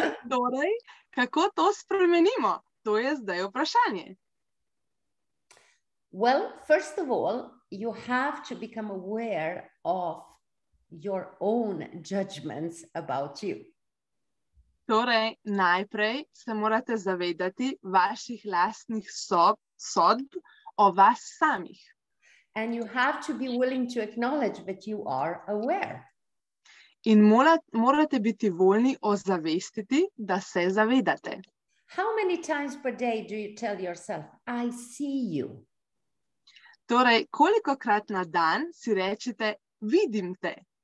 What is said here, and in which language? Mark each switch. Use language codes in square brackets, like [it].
[sl] Torej, kako to spremenimo? To je zdaj vprašanje. [en] Well, first of all, you have to become aware of your own judgments about you. [sl] Torej, najprej se morate zavedati vaših lastnih sodb o vas samih. [en] And you have to be willing to acknowledge that you are aware. [sl] In morate biti voljni ozavestiti, da se zavedate. [en] How many times per day do you tell yourself, I see you? [sl] Torej, kolikokrat na dan si rečete, vidim te?